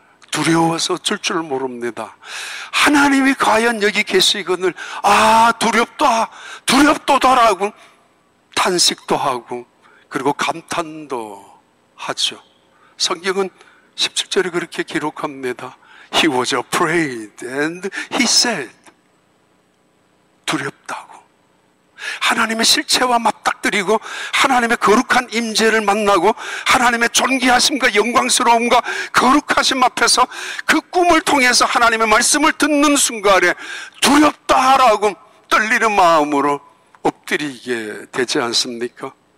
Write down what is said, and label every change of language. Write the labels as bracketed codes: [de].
[ko] 두려워서 어쩔 줄 모릅니다. 하나님이 과연 여기 계시거늘, 아 두렵다, 두렵도다라고 탄식도 하고 그리고 감탄도 하죠. 성경은 17절에 그렇게 기록합니다. [en] He was afraid and he said, 두렵다고. [ko] 하나님의 실체와 맞닥뜨리고 하나님의 거룩한 임재를 만나고 하나님의 존귀하심과 영광스러움과 거룩하심 앞에서 그 꿈을 통해서 하나님의 말씀을 듣는 순간에 두렵다라고 떨리는 마음으로 엎드리게 되지 않습니까?